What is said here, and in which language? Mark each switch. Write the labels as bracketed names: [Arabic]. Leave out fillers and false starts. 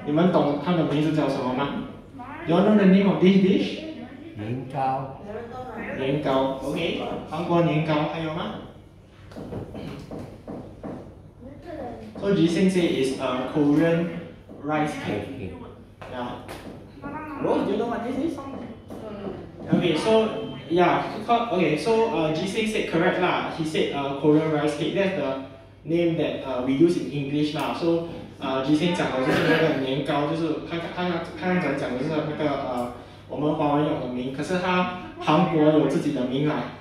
[Chinese] 你们懂它的名字叫什么吗？ [English] Do you know the name of this dish? [Chinese] 年糕。年糕 ，OK， 韩国年糕还有吗 [English] ？So Jisen say is a Korean rice cake. Yeah. Rose, do you know what this is? Okay, so yeah, okay, so Jisen said correct lah. He said Korean rice cake. That's the name that we use in English lah. So. [Chinese] 之前讲的就是那个年糕，就是他刚讲的是那个我们华文用的名，可是他韩国有自己的名啦。